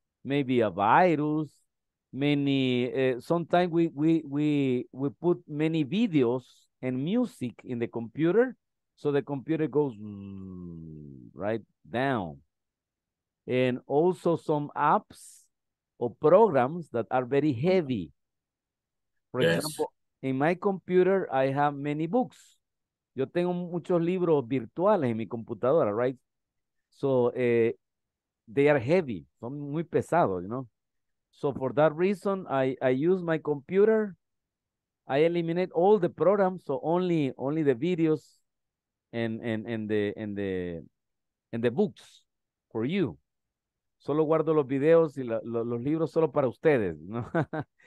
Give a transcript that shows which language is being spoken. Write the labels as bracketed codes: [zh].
[en] Maybe a virus, sometimes we put many videos and music in the computer, so the computer goes right down. And also some apps or programs that are very heavy. For example, in my computer, I have many books. [es] Yo tengo muchos libros virtuales en mi computadora, right? [en] So they are heavy, [es] son muy pesados, [en] you know? So for that reason, I use my computer. I eliminate all the programs, so only the videos and the books for you. [es] Solo guardo los videos y los libros solo para ustedes, [en] you know?